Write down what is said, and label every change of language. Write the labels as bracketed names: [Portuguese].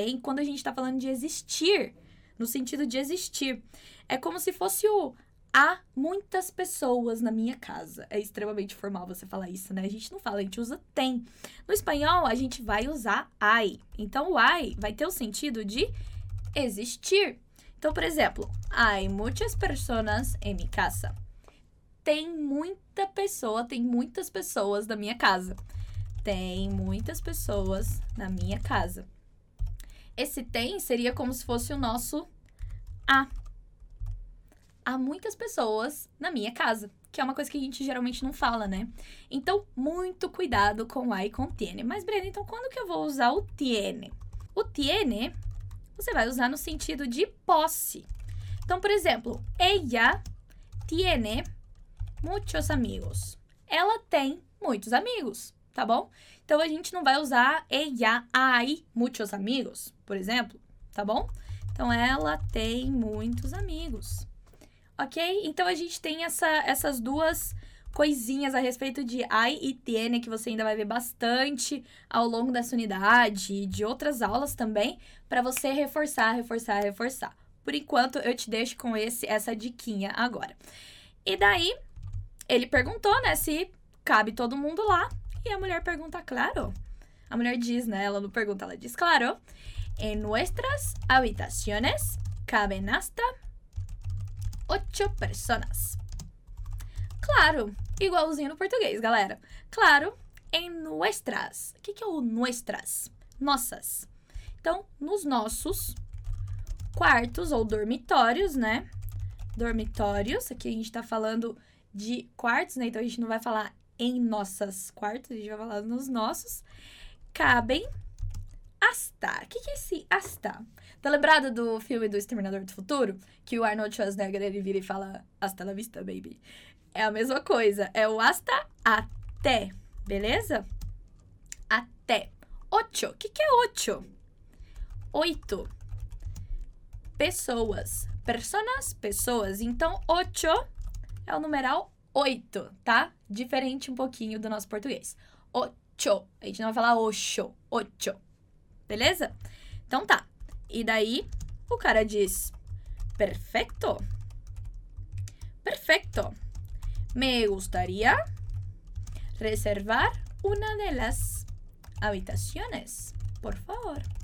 [Portuguese] Quando a gente tá falando de existir, no sentido de existir, é como se fosse o... Há muitas pessoas na minha casa. É extremamente formal você falar isso, né? A gente não fala, a gente usa tem. No espanhol, a gente vai usar hay. Então, o hay vai ter o sentido de existir. Então, por exemplo, [Spanish] hay muchas personas en mi casa. [Portuguese] Tem muitas pessoas na minha casa. Tem muitas pessoas na minha casa. Esse tem seria como se fosse o nosso a. Há muitas pessoas na minha casa. que é uma coisa que a gente geralmente não fala, né? Então, muito cuidado com o I e com o tiene. Mas, Brenda, então quando que eu vou usar o tiene? O tiene, você vai usar no sentido de posse. Então, por exemplo, [Spanish] ella tiene muchos amigos. [Portuguese] Ela tem muitos amigos, tá bom? Então, a gente não vai usar [Spanish] ella hay muchos amigos, [Portuguese] por exemplo, tá bom? Então, ela tem muitos amigos. Ok? Então, a gente tem essas duas coisinhas a respeito de hay y tiene, que você ainda vai ver bastante ao longo dessa unidade e de outras aulas também, para você reforçar. Por enquanto, eu te deixo com essa diquinha agora. E daí, ele perguntou, né, se cabe todo mundo lá. E a mulher pergunta, claro. A mulher diz, né, ela não pergunta, ela diz, claro. [Spanish] En nuestras habitaciones caben hasta 8 personas. [Portuguese] Claro, igualzinho no português, galera. Claro, [Spanish] en nuestras. [Portuguese] O que é o nuestras? Nossas. Então, nos nossos quartos ou dormitórios, né? Dormitórios, aqui a gente tá falando de quartos, né? Então, a gente não vai falar em nossas quartos, a gente vai falar nos nossos. Cabem hasta. O que é esse hasta? Tá lembrado do filme do Exterminador do Futuro? Que o Arnold Schwarzenegger, ele vira e fala [Spanish] hasta la vista, baby. [Portuguese] É a mesma coisa. É o hasta até, beleza? Até. Ocho. O que é ocho? Oito. Pessoas. Personas, pessoas. Então, ocho é o numeral 8, tá? Diferente um pouquinho do nosso português. Ocho. A gente não vai falar ocho. Ocho. Beleza? Então, tá. E daí, o cara diz, [Spanish] perfecto, perfecto, me gustaría reservar una de las habitaciones, por favor.